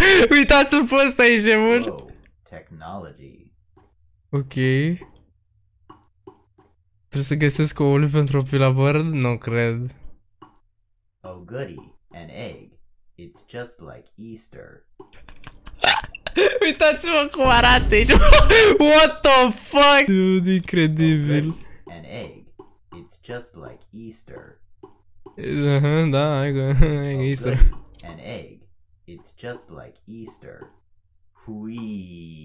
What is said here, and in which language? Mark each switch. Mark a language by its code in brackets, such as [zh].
[ro] Uitați-l pe ăsta aici, bun. Technology. Ok. Trebuie să găsesc oul pentru o pila bird? Nu cred. [en] Oh goody, an egg. It's just like Easter. [ro] Uitați-vă cum arată aici. [en] What the fuck? Dude, incredibil. An egg. It's just like Easter. [ro] Da, Easter. [en] An egg. It's just like Easter. Fui.